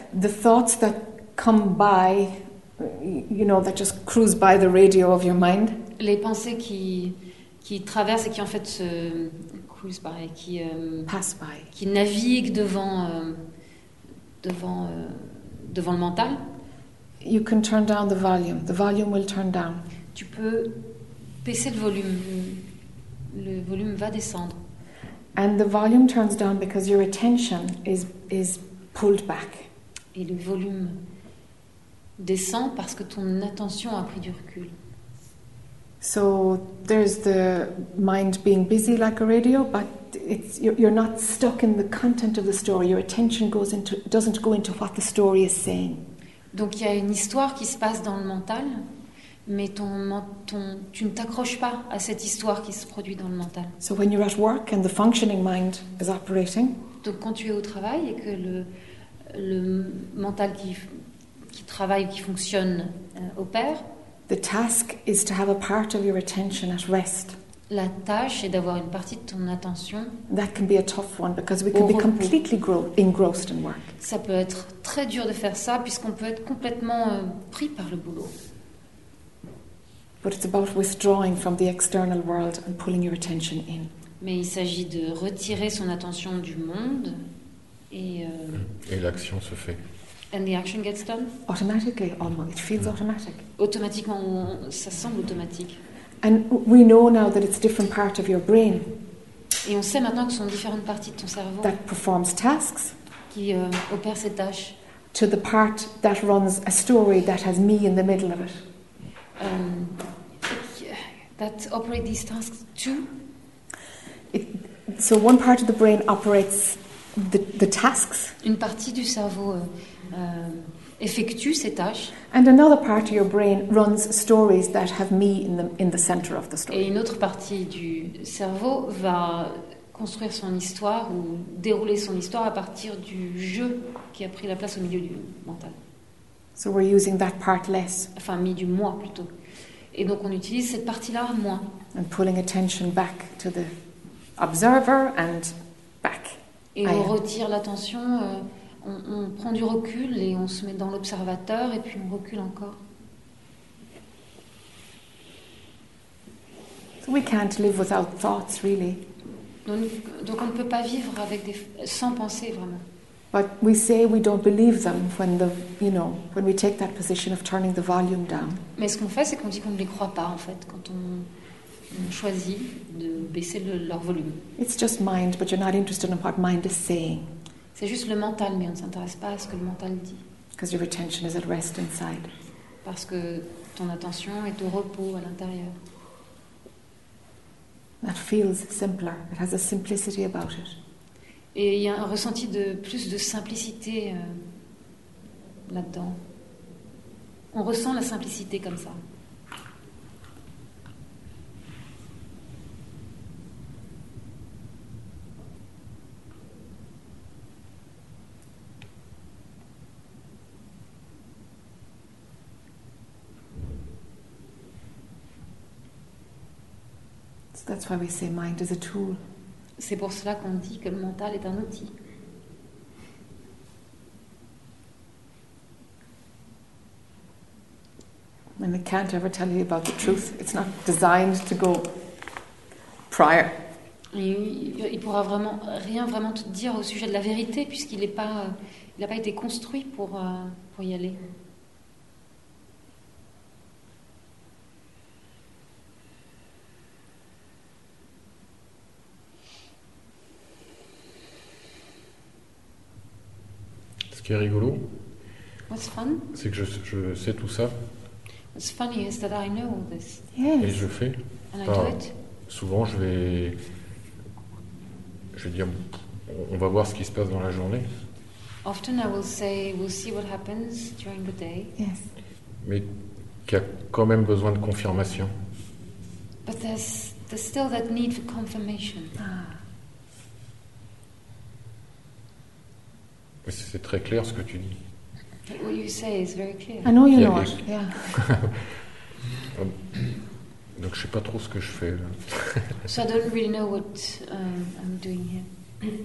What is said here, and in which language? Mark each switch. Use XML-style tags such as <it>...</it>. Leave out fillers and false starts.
<en>the thoughts that come by, you know, that just cruise by the radio of your mind,</en> <fr>les pensées qui traversent et qui en fait se</fr> <en>cruise by,</en> <fr>qui</fr> <en>pass by,</en> <fr>qui naviguent devant le mental,</fr> <en>you can turn down the volume. The volume will turn down.</en> <fr>Tu peux baisser le volume. Le volume va descendre.</fr> <en>And the volume turns down because your attention is pulled back.</en> <fr>Et le volume descend parce que ton attention a pris du recul.</fr> <en>So there's the mind being busy like a radio, but it's you're not stuck in the content of the story. Your attention doesn't go into what the story is saying.</en> <fr>Donc il y a une histoire qui se passe dans le mental. Mais tu ne t'accroches pas à cette histoire qui se produit dans le mental.</fr> <en>So when you're at work and the functioning mind is operating,</en> <fr>donc quand tu es au travail et que le mental qui travaille ou qui fonctionne opère,</fr> <en>the task is to have a part of your attention at rest.</en> <fr>La tâche est d'avoir une partie de ton attention.</fr> <en>That can be a tough one because we can be completely engrossed in work.</en> <fr>Ça peut être très dur de faire ça puisqu'on peut être complètement pris par le boulot.</fr> <en>But it's about withdrawing from the external world and pulling your attention in.</en> <fr>Mais il s'agit de retirer son attention du monde et. Et l'action se fait.</fr> <en>And the action gets done. Automatically, almost. It feels automatic.</en> <fr>Automatiquement, ça semble automatique.</fr> <en>And we know now that it's different part of your brain.</en> <fr>Et on sait maintenant que ce sont différentes parties de ton cerveau.</fr> <en>That performs tasks.</en> <fr>Qui opère ces tâches.</fr> <en>To the part that runs a story that has me in the middle of it. That operate these tasks too. So one part of the brain operates the tasks.</en> <fr>Une partie du cerveau effectue ces tâches.</fr> <en>And another part of your brain runs stories that have me in the center of the story.</en> <fr>Et une autre partie du cerveau va construire son histoire ou dérouler son histoire à partir du je qui a pris la place au milieu du mental.</fr> <en>So we're using that part less.</en> <fr>Enfin, mis du moi plutôt. Et donc on utilise cette partie-là moins.</fr> <en>And pulling attention back to the observer and back.</en> <fr>Et on retire l'attention, on prend du recul et on se met dans l'observateur et puis on recule encore.</fr> <en>So we can't live without thoughts, really.</en> <fr>Donc on ne peut pas vivre avec sans penser vraiment.</fr> <en>But we say we don't believe them when the, you know, when we take that position of turning the volume down.</en> <fr>Mais ce qu'on fait, c'est qu'on dit qu'on ne les croit pas en fait quand on choisit de baisser leur volume.</fr> <en>It's just mind, but you're not interested in what mind is saying.</en> <fr>C'est juste le mental, mais on ne s'intéresse pas à ce que le mental dit.</fr> <en>Because your attention is at rest inside.</en> <fr>Parce que ton attention est au repos à l'intérieur.</fr> <en>That feels simpler. It has a simplicity about it.</en> <fr>Et il y a un ressenti de plus de simplicité là-dedans. On ressent la simplicité comme ça.</fr> <en>So that's why we say mind is a tool.</en> <fr>C'est pour cela qu'on dit que le mental est un outil.</fr> <en>And I can't ever tell you about the truth. It's not designed to go prior.</en> <fr>Il pourra vraiment rien vraiment te dire au sujet de la vérité puisqu'il n'est pas, il n'a pas été construit pour y aller. Qui est rigolo.</fr> <en>What's fun?</en> <fr>C'est que je sais tout ça.</fr> <en>What's funny is that I know all this. Yes.</en> <fr>Et je fais.</fr> <en>And enfin, I do it.</en> <fr>Souvent, je vais dire, on va voir ce qui se passe dans la journée.</fr> <en>Often I will say, we'll see what happens during the day. Yes.</en> <fr>Mais qui a quand même besoin de confirmation.</fr> <en>But there's still that need for confirmation. Ah.</en> <fr>C'est très clair ce que tu dis.</fr> <en>What you say is very clear. I know you know it. Yeah.</en> <fr>Donc je sais pas trop ce que je fais là.</fr> <en>So I don't really know what I'm doing here.</en>